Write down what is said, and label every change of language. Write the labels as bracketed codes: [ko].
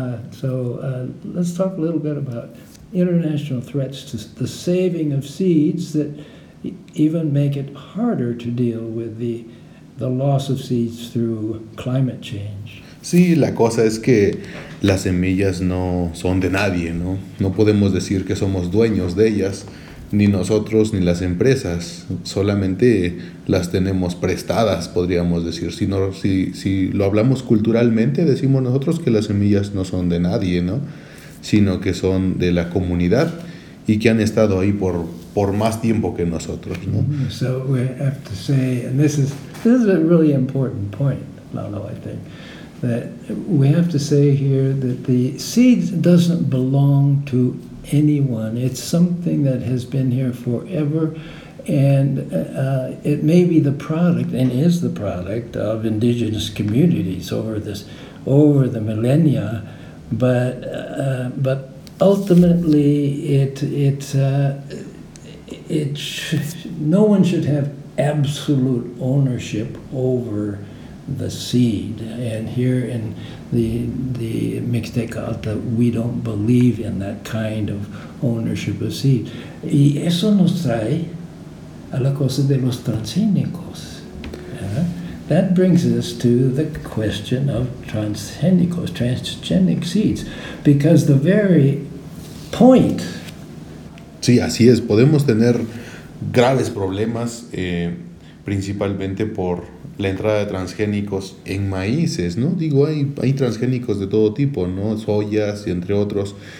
[en] So let's talk a little bit about international threats to the saving of seeds that even make it harder to deal with the loss of seeds through climate change. [es] Sí, la cosa es que las semillas no son de nadie, ¿no? No podemos decir que somos dueños de ellas, ni nosotros ni las empresas. Solamente las tenemos prestadas, podríamos decir. Si lo hablamos culturalmente, decimos nosotros que las semillas no son de nadie, ¿no? Sino que son de la comunidad y que han estado ahí por más tiempo que nosotros, ¿no? [en] So we have to say, and this is a really important point, Lalo, I think, that we have to say here that the seeds doesn't belong to anyone. It's something that has been here forever, and it may be the product and is the product of indigenous communities over the millennia. But ultimately, no one should have absolute ownership over the seed. And here in the Mixteca Alta, we don't believe in that kind of ownership of seed. [es] Y eso nos trae a la cosa de los transgénicos. [en] That brings us to the question of transgenic seeds, because the very point... [es] Sí, así es. Podemos tener graves problemas, principalmente por la entrada de transgénicos en maíces, ¿no? Digo, hay transgénicos de todo tipo, ¿no? Soyas, entre otros.